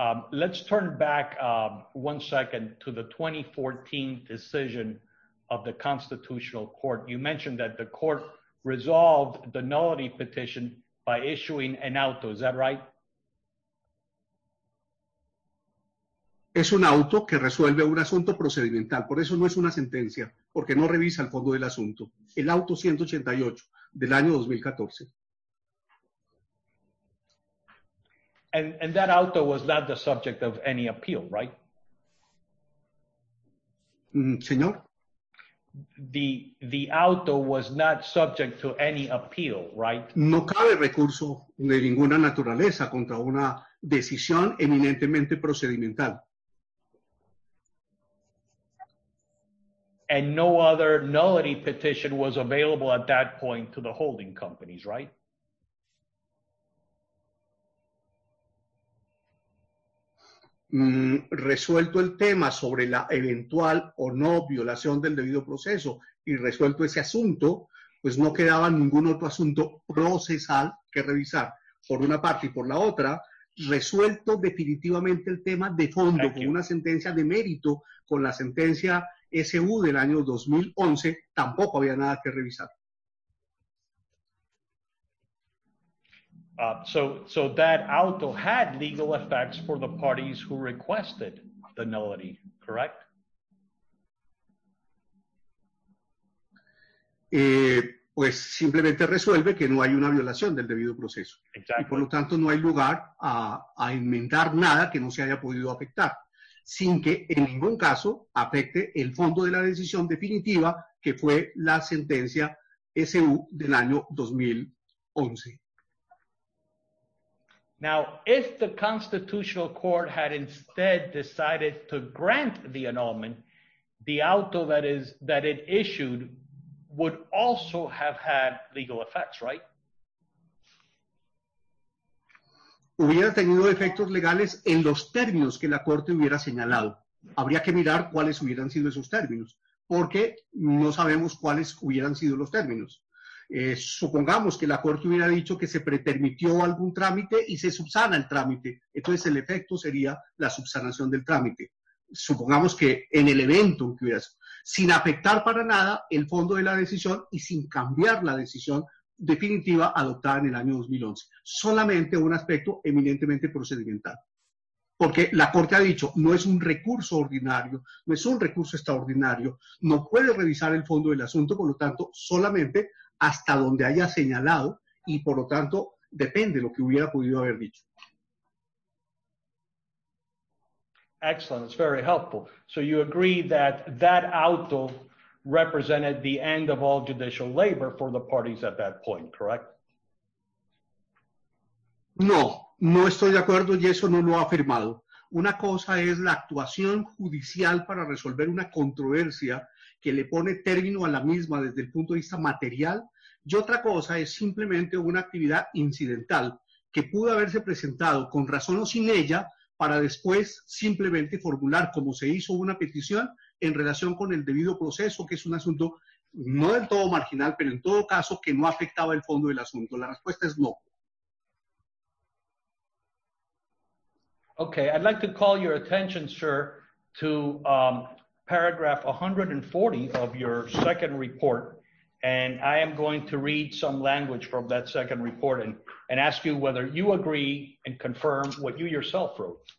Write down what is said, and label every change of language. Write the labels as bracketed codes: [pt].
[en] Let's turn back one second to the 2014 decision of the Constitutional Court. You mentioned that the court resolved the nullity petition by issuing an auto, is that right? [es] Es un auto que resuelve un asunto procedimental, por eso no es una sentencia, porque no revisa el fondo del asunto. El auto 188 del año 2014. [en] And that auto was not the subject of any appeal, right? [es] Señor. [en] The auto was not subject to any appeal, right? [es] No cabe recurso de ninguna naturaleza contra una decisión eminentemente procedimental. [en] And no other nullity petition was available at that point to the holding companies, right? [es] Resuelto el tema sobre la eventual o no violación del debido proceso y resuelto ese asunto, pues no quedaba ningún otro asunto procesal que revisar por una parte y por la otra. Resuelto definitivamente el tema de fondo con una sentencia de mérito, con la sentencia SU del año 2011, tampoco había nada que revisar. [en] So that auto had legal effects for the parties who requested the nullity, correct? [es] Pues simplemente resuelve que no hay una violación del debido proceso. [en] Exactly. [es] Y por lo tanto no hay lugar a enmendar nada que no se haya podido afectar, sin que en ningún caso afecte el fondo de la decisión definitiva, que fue la sentencia SU del año 2011. [en] Now, if the Constitutional Court had instead decided to grant the annulment, the auto that it issued would also have had legal effects, right? [es] Hubiera tenido efectos legales en los términos que la Corte hubiera señalado. Habría que mirar cuáles hubieran sido esos términos, porque no sabemos cuáles hubieran sido los términos. Supongamos que la Corte hubiera dicho que se pretermitió algún trámite y se subsana el trámite. Entonces, el efecto sería la subsanación del trámite. Supongamos que en el evento que hubiera sido, sin afectar para nada el fondo de la decisión y sin cambiar la decisión definitiva adoptada en el año 2011. Solamente un aspecto eminentemente procedimental. Porque la Corte ha dicho, no es un recurso ordinario, no es un recurso extraordinario, no puede revisar el fondo del asunto, por lo tanto, solamente hasta donde haya señalado y, por lo tanto, depende de lo que hubiera podido haber dicho. [en] Excellent. It's very helpful. So you agree that that auto represented the end of all judicial labor for the parties at that point, correct? [es] No, no estoy de acuerdo y eso no lo ha afirmado. Una cosa es la actuación judicial para resolver una controversia que le pone término a la misma desde el punto de vista material, y otra cosa es simplemente una actividad incidental que pudo haberse presentado con razón o sin ella para después simplemente formular como se hizo una petición en relación con el debido proceso, que es un asunto no del todo marginal, pero en todo caso que no afectaba el fondo del asunto. La respuesta es no. [en] Okay, I'd like to call your attention, sir, to paragraph 140 of your second report, and I am going to read some language from that second report and ask you whether you agree and confirm what you yourself wrote.